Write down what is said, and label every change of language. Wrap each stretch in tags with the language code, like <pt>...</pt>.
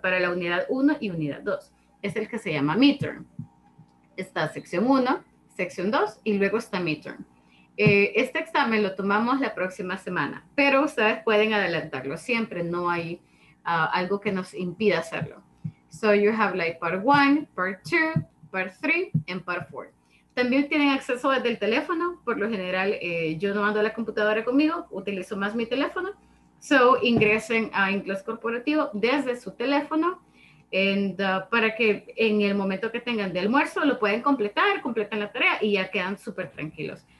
<es>Para la unidad 1 y unidad 2. Es el que se llama midterm. Está sección 1, sección 2 y luego está midterm. Este examen lo tomamos la próxima semana, pero ustedes pueden adelantarlo siempre. No hay algo que nos impida hacerlo.</es> <en>So you have like part one, part two, part three, and part four.</en> <es>También tienen acceso desde el teléfono. Por lo general, yo no ando a la computadora conmigo, utilizo más mi teléfono. So ingresen a inglés corporativo desde su teléfono. And, para que en el momento que tengan de almuerzo lo pueden completar, completan la tarea y ya quedan súper tranquilos.</es>